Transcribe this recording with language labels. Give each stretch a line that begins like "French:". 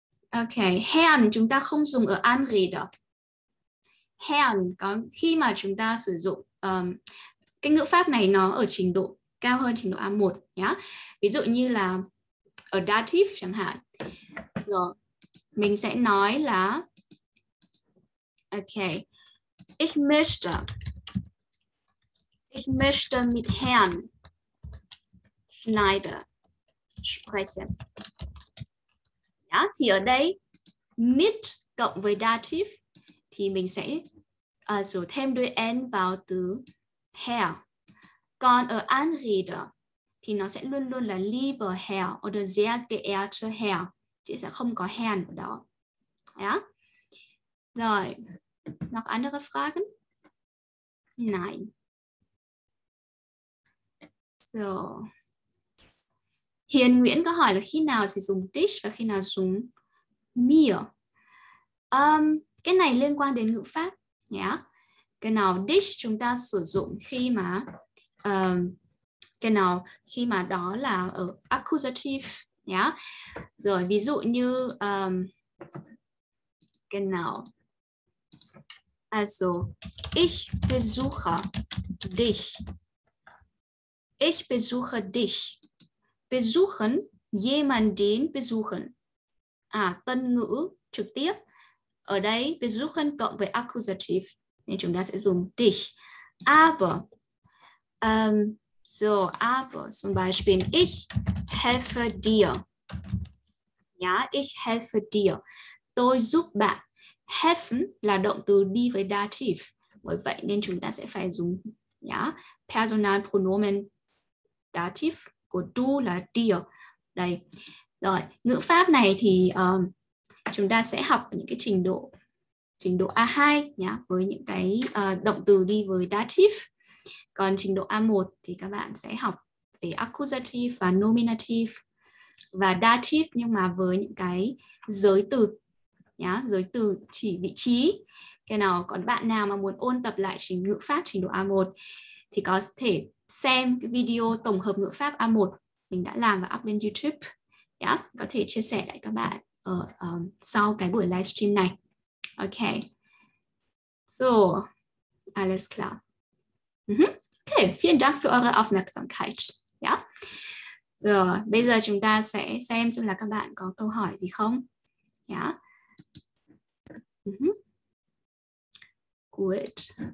Vietnamese: Ok, Herrn chúng ta không dùng ở Anrede. Herrn có khi mà chúng ta sử dụng cái ngữ pháp này nó ở trình độ cao hơn trình độ A1 nhá. Ví dụ như là ở Dative chẳng hạn. Rồi, mình sẽ nói là
German: okay, ich möchte mit Herrn Schneider sprechen.
Vietnamese: Thì ở đây mit cộng với dative thì mình sẽ thêm đuôi n vào từ Herr. Còn ở Anrede thì nó sẽ luôn luôn là
German: lieber Herr oder sehr geehrter Herr.
Vietnamese: Chứ sẽ không có Herrn ở đó.
German: Ja? Rồi, noch andere Fragen? Nein. So.
Vietnamese: Hiền Nguyễn có hỏi là khi nào sẽ dùng dich và khi nào dùng mir. Cái này liên quan đến ngữ pháp. Cái nào dich chúng ta sử dụng khi mà cái nào khi mà đó là ở accusative. Rồi ví dụ như cái nào.
German: Also, ich besuche dich. Ich besuche dich. Besuchen, jemanden besuchen.
Vietnamese: À, tân ngữ, trực tiếp. Ở đây, besuchen cộng với accusative. Nên chúng ta sẽ dùng dich.
German: Aber, so, aber, zum Beispiel, ich helfe dir. Ja, ich helfe dir.
Vietnamese: Tôi giúp bạn. Helfen là động từ đi với dativ. Bởi vậy nên chúng ta sẽ phải dùng personal pronomen dativ của du là dir. Đây. Rồi, ngữ pháp này thì chúng ta sẽ học những cái trình độ A2 nhá, với những cái động từ đi với dativ. Còn trình độ A1 thì các bạn sẽ học về accusative và nominative và dativ nhưng mà với những cái giới từ. Nhá, giới từ chỉ vị trí. Cái nào còn bạn nào mà muốn ôn tập lại trình ngữ pháp trình độ A1 thì có thể xem cái video tổng hợp ngữ pháp A1 mình đã làm và up lên YouTube. Nhá, có thể chia sẻ lại các bạn ở sau cái buổi livestream này.
German: Ok. So, alles klar. Okay, vielen Dank für eure Aufmerksamkeit. Ja.
Vietnamese: So, bây giờ chúng ta sẽ xem là các bạn có câu hỏi gì không. Nhá.
English: Good.